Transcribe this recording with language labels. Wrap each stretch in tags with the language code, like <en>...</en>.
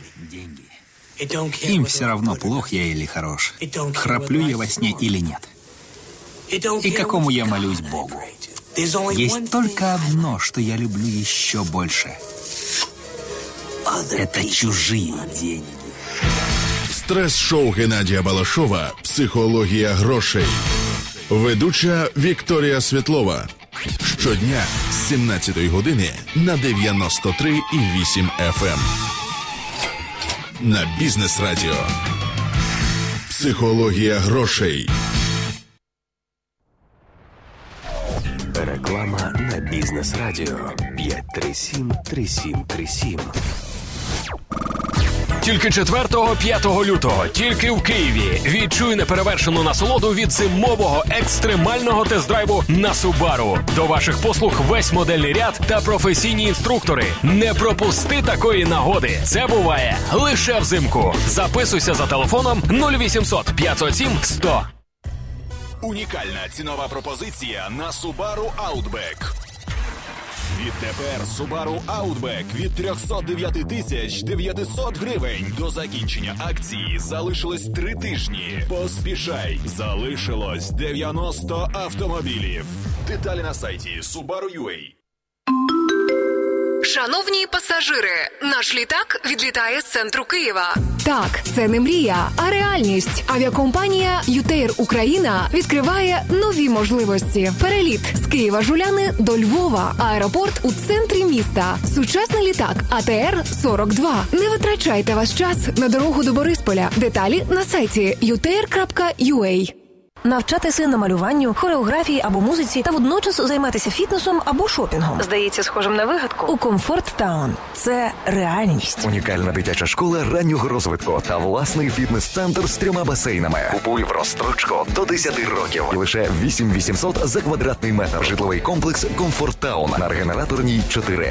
<ru>Деньги. Им все равно, плох я или хорош. Храплю я во сне или нет. И какому я молюсь Богу. Есть только одно, что я люблю еще больше. Это чужие деньги.</ru> <uk>Стресс-шоу Геннадія Балашова «Психологія грошей». Ведуча Вікторія Світлова. Щодня з 17 години на 93.8 FM. На Бізнес-радіо. «Психологія грошей». Реклама на Бізнес-радіо. 537-3737. Тільки 4-5 лютого, тільки в Києві. Відчуй неперевершену насолоду від зимового екстремального тест-драйву на Субару. До ваших послуг весь модельний ряд та професійні інструктори. Не пропусти такої нагоди. Це буває лише взимку. Записуйся за телефоном 0800 507 100. Унікальна цінова пропозиція на Субару Outback. Відтепер Subaru Outback від 309 тисяч 900 гривень. До закінчення акції залишилось 3 тижні. Поспішай! Залишилось 90 автомобілів. Деталі на сайті Subaru.ua. Шановні пасажири, наш літак відлітає з центру Києва. Так, це не мрія, а реальність. Авіакомпанія «Ютейр Україна» відкриває нові можливості. Переліт з Києва-Жуляни до Львова. Аеропорт у центрі міста. Сучасний літак АТР-42. Не витрачайте ваш час на дорогу до Борисполя. Деталі на сайті utair.ua. Навчати сина малюванню, хореографії або музиці та водночас займатися фітнесом або шопінгом. Здається, схожим на вигадку. У Comfort Town – це реальність. Унікальна дитяча школа раннього розвитку та власний фітнес-центр з трьома басейнами. Купуй в розстрочку до 10 років. І лише 8800 за квадратний метр. Житловий комплекс Comfort Town на Регенераторній 4.</uk>